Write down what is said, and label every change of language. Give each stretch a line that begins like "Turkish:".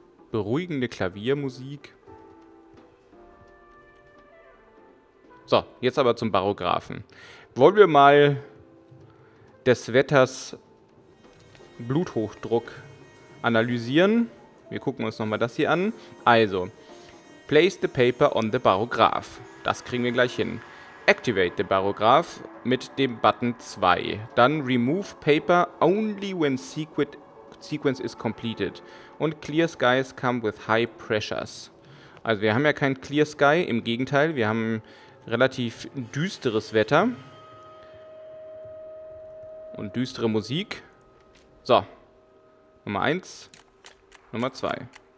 German: Beruhigende Klaviermusik. So, jetzt aber zum Barographen. Wollen wir mal des Wetters Bluthochdruck analysieren? Wir gucken uns nochmal das hier an.
English: Also, place the paper on the Barograph.
German: Das kriegen wir gleich hin.
English: Activate the Barograph
German: mit dem Button 2.
English: Dann remove paper only when sequence is completed. Und clear skies come with high pressures.
German: Also wir haben ja kein clear sky, im Gegenteil, wir haben... relativ düsteres Wetter. Und düstere Musik. So. Nummer 1. Nummer 2.